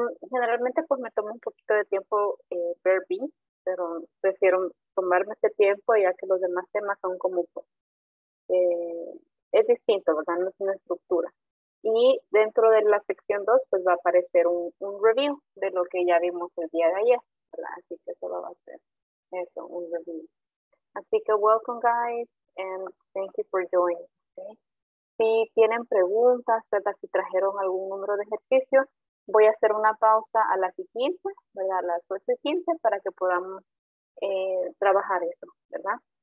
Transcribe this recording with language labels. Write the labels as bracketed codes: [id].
[es] Generalmente pues me tomo un poquito de tiempo ver B, pero prefiero tomarme ese tiempo ya que los demás temas son como es distinto, ¿verdad? No es una estructura. Y dentro de la sección 2 pues va a aparecer un review de lo que ya vimos el día de ayer, ¿verdad? Así que solo va a ser eso, un review. Así que [en] welcome guys and thank you for joining. [es] Okay? Si tienen preguntas, ¿verdad? Si trajeron algún número de ejercicio, voy a hacer una pausa a las 15, ¿verdad? A las 8:15 para que podamos trabajar eso, ¿verdad?